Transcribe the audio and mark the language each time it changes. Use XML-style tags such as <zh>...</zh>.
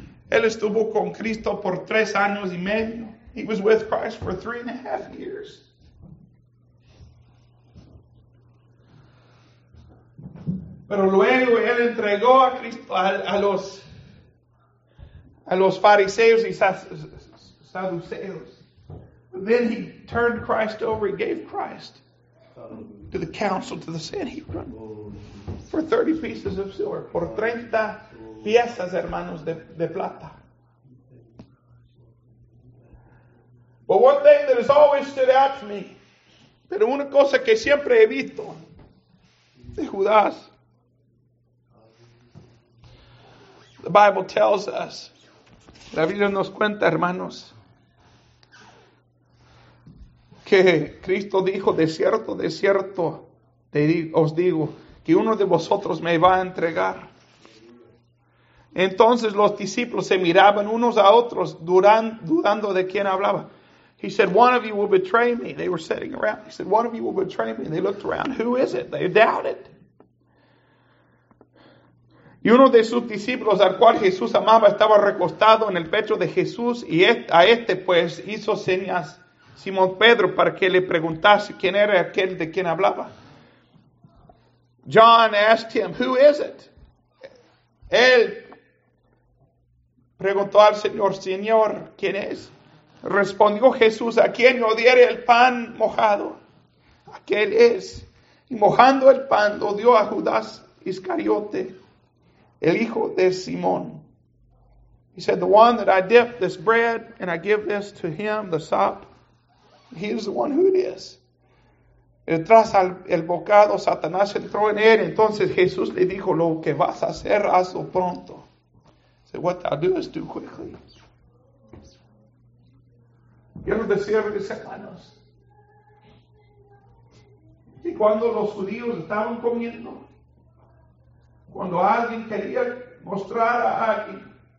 <es>Él estuvo con Cristo por 3 años y medio.</es> <en>He was with Christ for 3.5 years.</en> <es>Pero luego él entregó a Cristo a los fariseos y saduceos.</es> <en>Then he turned Christ over. He gave Christ to the council, to the Sanhedrin, for 30 pieces of silver.</en> <es>Por 30 piezas, hermanos, de plata.</es> <en>But one thing that has always stood out to me,</en> <es>pero una cosa que siempre he visto de Judas,</es> <en>the Bible tells us,</en> <es>la Biblia nos cuenta, hermanos, que Cristo dijo, de cierto, os digo, que uno de vosotros me va a entregar. Entonces los discípulos se miraban unos a otros, dudando de quién hablaba.</es> <en>He said, one of you will betray me. They were sitting around. He said, one of you will betray me. And they looked around. Who is it? They doubted.</en> <es>Y uno de sus discípulos, al cual Jesús amaba, estaba recostado en el pecho de Jesús, y a este pues hizo señas Simón Pedro para que le preguntase quién era aquel de quien hablaba.</es> <en>John asked him, who is it?</en> <es>Él preguntó al Señor, Señor, ¿quién es? Respondió Jesús, a quien yo diere el pan mojado, aquel es. Y mojando el pan, lo dio a Judas Iscariote, el hijo de Simón.</es> <en>He said, the one that I dip this bread and I give this to him, the sop, he is the one who it is.</en> <es>Tras el bocado, Satanás entró en él. Entonces Jesús le dijo, lo que vas a hacer, hazlo pronto.</es> <en>He said, what I'll do is do quickly.</en> <es>Quiero decirles, hermanos, que cuando los judíos estaban comiendo, cuando alguien quería mostrar a alguien</es>